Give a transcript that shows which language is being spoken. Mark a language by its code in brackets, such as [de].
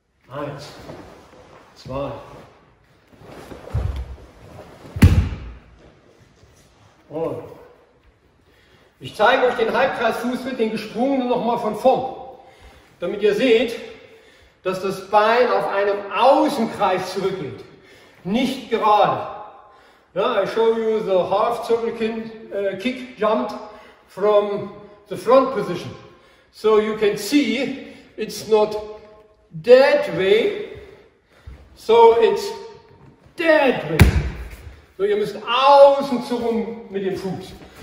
[de] Eins, zwei, und ich zeige euch den Halbkreisfußtritt, den gesprungenen nochmal von vorn, damit ihr seht, dass das Bein auf einem Außenkreis zurückgeht, nicht gerade. [en] Ja, I show you the half circle kick jumped from the front position, so you can see it's not dead way, so it's dead way. [de] So ihr müsst außen zurück mit dem Fuß.